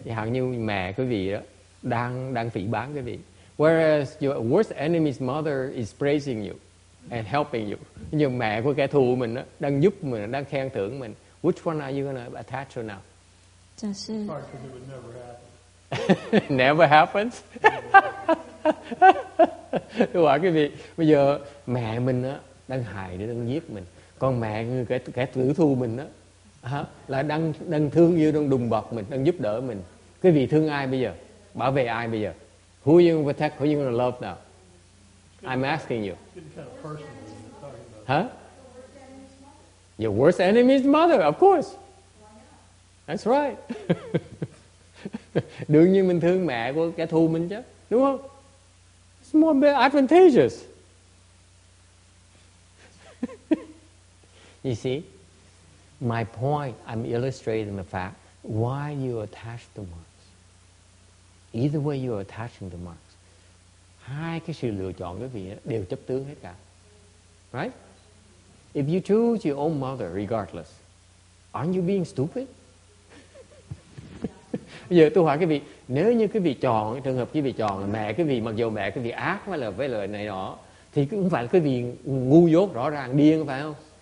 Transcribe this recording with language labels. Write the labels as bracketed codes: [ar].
[vi] Hẳn như mẹ quý vị đó đang phỉ báng quý vị. [en] Whereas your worst enemy's mother is praising you and helping you. [vi] Như mẹ của kẻ thù mình đó đang giúp mình, đang khen thưởng mình. [en] Which one are you going to attach to now? Just because it would never happen. Never happens? [vi] Đúng rồi, quý vị. Bây giờ mẹ mình đó đang hại để đang giết mình, còn mẹ người kẻ tử thù mình đó là đang thương yêu, đang đùm bọc mình, đang giúp đỡ mình. Quý vị thương ai bây giờ, bảo vệ ai bây giờ? [en] Who you gonna protect? Who you gonna love now? I'm asking you. Huh? Your worst enemy's mother, of course. That's right. [vi] Đương nhiên mình thương mẹ của kẻ thù mình chứ, đúng không? [en] It's more advantageous. You see, my point, I'm illustrating the fact why you attach to Marx. Either way you're attaching to Marx, [vi] hai cái sự lựa chọn quý vị đều chấp tướng hết cả. [en] Right? If you choose your own mother, regardless, aren't you being stupid? [vi] Bây giờ tôi hỏi quý vị, nếu như quý vị chọn, trường hợp quý vị chọn là mẹ quý vị, mặc dù mẹ quý vị ác với lời này đó, thì cũng phải là quý vị ngu dốt, rõ ràng, điên, phải không?